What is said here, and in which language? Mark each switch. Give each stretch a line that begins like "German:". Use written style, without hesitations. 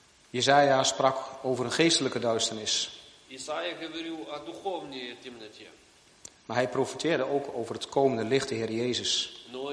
Dutch: Jesaja sprak over een geestelijke duisternis.
Russian: Jesaja говорил о духовной темноте.
Dutch: Maar hij profeteerde ook over het komende licht, de Heer Jezus.